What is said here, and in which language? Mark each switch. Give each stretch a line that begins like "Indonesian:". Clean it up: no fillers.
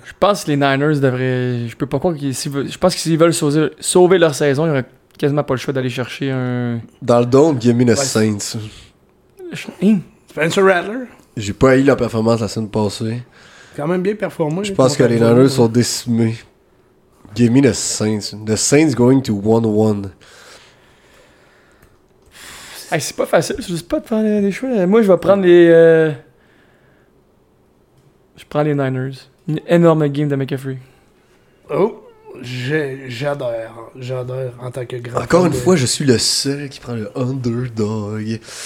French: Je pense que les Niners devraient. Je peux pas croire qu'ils. Je pense que s'ils veulent sauver leur saison, ils auraient quasiment pas le choix d'aller chercher un. Dans le dôme, il y a mis le Saints. Spencer Rattler. J'ai pas haï la performance la semaine passée. Quand même bien performé. Je pense que les Niners sont décimés.
English: Give me the Saints going to 1-1.
French: Hey, c'est pas facile, je sais pas de faire des choix. Moi, je vais prendre je prends les Niners. Une énorme game de McCaffrey. Oh, j'adore en tant que grand. Encore une fois, je suis le seul qui prend le underdog.